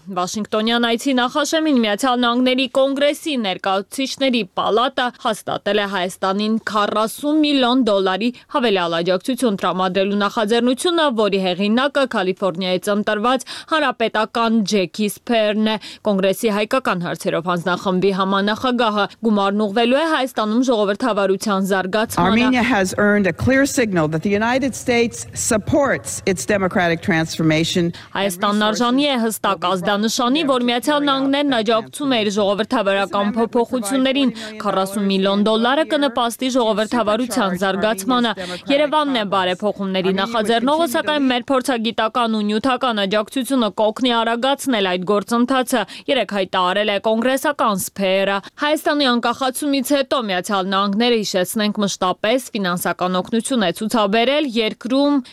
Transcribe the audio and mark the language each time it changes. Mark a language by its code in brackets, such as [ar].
[hy] Վաշինգտոնյան այցի նախաշեմին Միացյալ Նահանգների կոնգրեսի ներկայացուցիչների պալատը հաստատել է Հայաստանին $40 միլիոն հավելյալ աջակցություն տրամադրելու նախաձեռնությունը, որի հեղինակը Կալիֆոռնիայից ընտրված հանրապետական Ջեքի Սփերն է, կոնգրեսի հայկական հարցերով հանձնախմբի համանախագահը։ Գումարն ուղղվելու է Հայաստանում ժողովրդավարության [en] Armenia has earned a clear signal that the United States supports its democratic transformation. [hy] Հայաստանն արժանի է հստակ ազդանշանի, որ Միացյալ Նահանգներն աջակցում է իր ժողովրդավարական փոփոխություններին, $40 միլիոն կնպաստի ժողովրդավարության զարգացմանը։ Երևանն է բարեփոխումների նախաձեռնողը, սակայն մեր փորձագիտական ու նյութական աջակցությունը կօգնի արագացնել այդ գործընթացը, երեկ հայտարարել է կոնգրեսական սփերը։ Հայաստանի անկախացումից հետո Միացյալ Նահանգները հիշեցնենք մշտապես ֆինանսական օգնություն է ցուցաբերել երկրում,